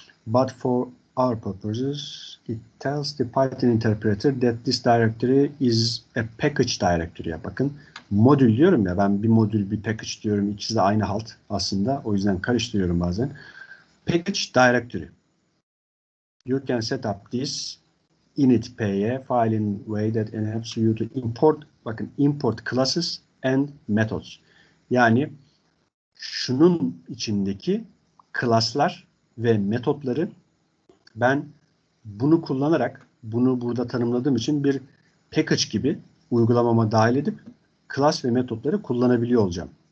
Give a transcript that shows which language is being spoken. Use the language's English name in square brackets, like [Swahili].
[English] But for our purposes it tells the Python interpreter that this directory is a package directory. [Turkish] Bakın modül diyorum ya. Ben bir modül bir package diyorum. İkisi de aynı halt aslında. O yüzden karıştırıyorum bazen. Package directory. [English] You can set up this init py file in way that enables you to import, [Turkish] bakın [English] import classes and methods. [Turkish] Yani şunun içindeki class'lar ve metotları ben bunu kullanarak bunu burada tanımladığım için bir package gibi uygulamama dahil edip class ve metotları kullanabiliyor olacağım.